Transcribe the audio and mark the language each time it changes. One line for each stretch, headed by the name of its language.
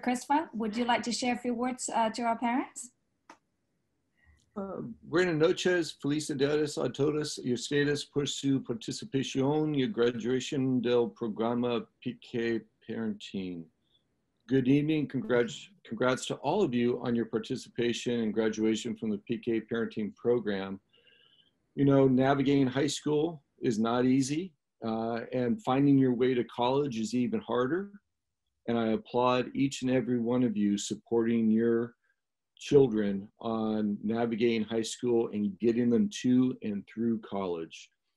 English: Crispa, would you like to share a few words to our parents?
Spanish: Buenas noches, felicidades a todos, y ustedes por su participación y graduación del programa PK Parenting.
English: Good evening, congrats to all of you on your participation and graduation from the PK Parenting Program. You know, navigating high school is not easy, and finding your way to college is even harder. And I applaud each and every one of you supporting your children on navigating high school and getting them to and through college.